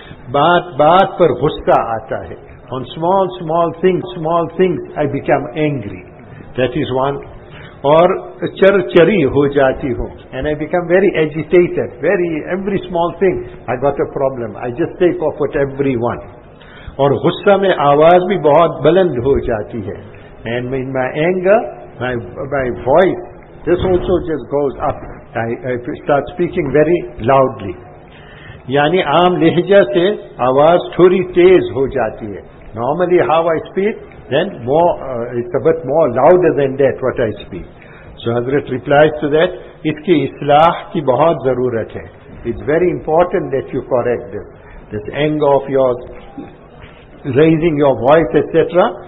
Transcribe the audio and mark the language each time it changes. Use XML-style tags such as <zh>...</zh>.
<ur>Baat baat par ghusta aata hai.</ur> <en>On small things, I become angry. That is one.</en> <ur>Or char chari ho jati ho.</ur> <en>And I become very agitated. Every small thing, I got a problem. I just take off with everyone.</en> <ur>اور غصہ میں آواز بھی بہت بلند ہو جاتی ہے.</ur> <en>And in my anger, my voice, this also just goes up. I start speaking very loudly.</en> <ur>یعنی عام لہجہ سے آواز تھوڑی تیز ہو جاتی ہے.</ur> <en>Normally how I speak, then it's a bit more louder than that what I speak. So Hazrat replies to that,</en> <ur>اس کی اصلاح کی بہت ضرورت ہے.</ur> <en>It's very important that you correct this anger of yours, raising your voice, etc.</en>